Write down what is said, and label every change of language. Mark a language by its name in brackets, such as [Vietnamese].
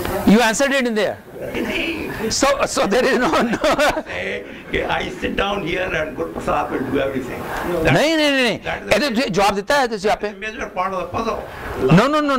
[English] You answered it in there. So there is no. I sit down here and Guru Prasad will do everything. [Hindi] नहीं तो जवाब देता है तुझे यहाँ पे। [English] Major part of the puzzle.